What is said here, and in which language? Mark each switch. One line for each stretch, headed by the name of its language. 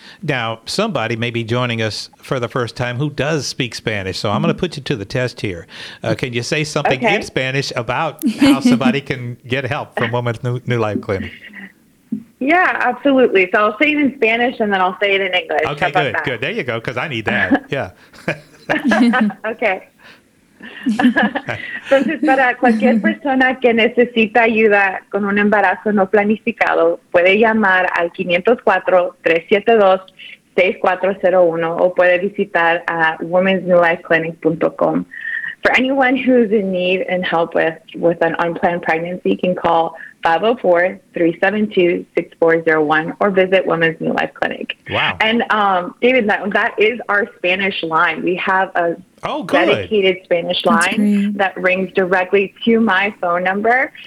English: Now, somebody may be joining us for the first time who does speak Spanish, so I'm going to put you to the test here. Can you say something in Spanish about how somebody can get help from Woman's New Life Clinic? Yeah, absolutely. So I'll say it in Spanish and then I'll say it in English. Okay, good, good. There you go, because I need that. Yeah. Okay.
Spanish: Entonces, para cualquier persona que necesita ayuda con un embarazo no planificado, puede llamar al 504-372-6401 o puede visitar a womensnewlifeclinic.com.
English: For anyone who's in need and help with an unplanned pregnancy, can call 504-372-6401 or visit Women's New Life Clinic. Wow. And David, that is our Spanish line. We have a dedicated Spanish line that rings directly to my phone number.